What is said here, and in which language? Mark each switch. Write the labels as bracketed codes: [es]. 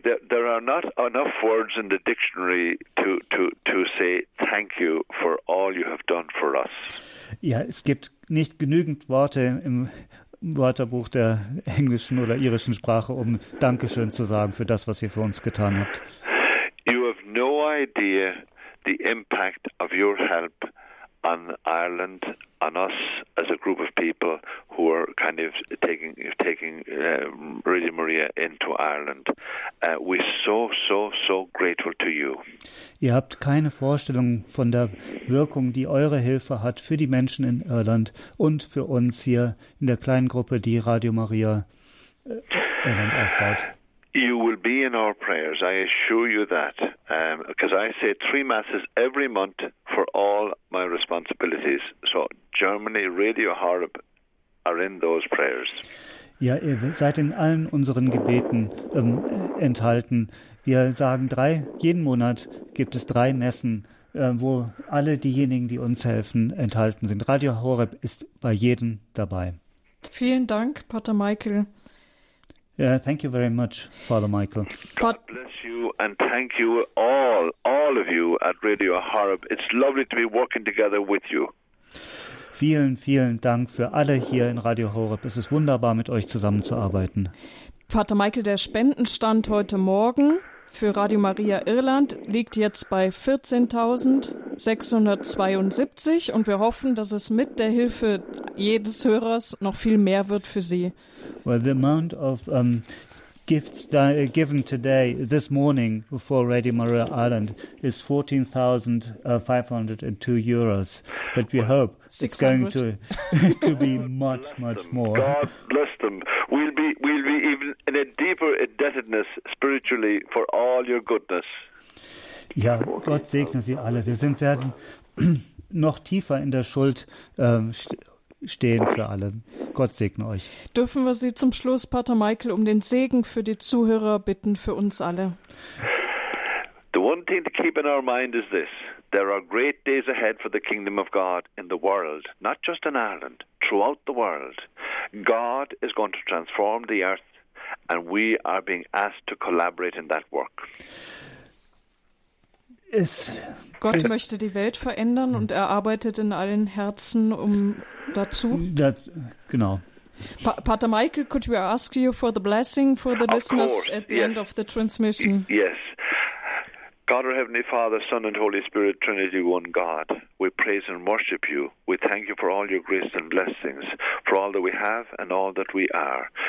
[en] There are not enough words in the dictionary to say thank you for all you have done for us. [de] Ja, es gibt nicht genügend Worte im Wörterbuch der englischen oder irischen Sprache, um Dankeschön zu sagen für das, was ihr für uns getan habt. [en] You have no idea the impact of your help on Ireland, on us as a group of people who are kind of taking Radio Maria into Ireland. We're so grateful to you. [de] Ihr habt keine Vorstellung von der Wirkung, die eure Hilfe hat für die Menschen in Irland und für uns hier in der kleinen Gruppe, die Radio Maria Irland aufbaut. [en] You will be in our prayers, I assure you that, because I say 3 masses every month for all my responsibilities. So Germany, Radio Horeb are in those prayers. [de] Ja, ihr seid in allen unseren Gebeten enthalten. Wir sagen jeden Monat gibt es 3 Messen, wo alle diejenigen, die uns helfen, enthalten sind. Radio Horeb ist bei jedem dabei. Vielen Dank, Pater Michael. [en] Yeah, thank you very much, Father Michael. God bless you and thank you all of you at Radio Horeb. It's lovely to be working together with you. [de] Vielen, vielen Dank für alle hier in Radio Horeb. Es ist wunderbar, mit euch zusammenzuarbeiten. Pater Michael, der Spendenstand heute Morgen für Radio Maria Irland liegt jetzt bei 14.672 und wir hoffen, dass es mit der Hilfe jedes Hörers noch viel mehr wird für Sie. [en] Well, the amount of gifts given today, this morning, for Radio Maria Irland is 14,502 euros. But we hope 600. It's going to be much, much more. God bless them. We'll be even in a deeper indebtedness spiritually for all your goodness. [de] Ja, Gott segne Sie alle. Wir werden noch tiefer in der Schuld stehen für alle. Gott segne euch. Dürfen wir Sie zum Schluss, Pater Michael, um den Segen für die Zuhörer bitten, für uns alle? [en] The one thing to keep in our mind is this. There are great days ahead for the kingdom of God in the world, not just in Ireland, throughout the world. God is going to transform the earth and we are being asked to collaborate in that work. [de] Gott möchte die Welt verändern und er arbeitet in allen Herzen dazu. Genau. [en] Pater Michael, could we ask you for the blessing for the listeners at the end of the transmission? Yes. God, our Heavenly Father, Son and Holy Spirit, Trinity, one God, we praise and worship you. We thank you for all your grace and blessings, for all that we have and all that we are.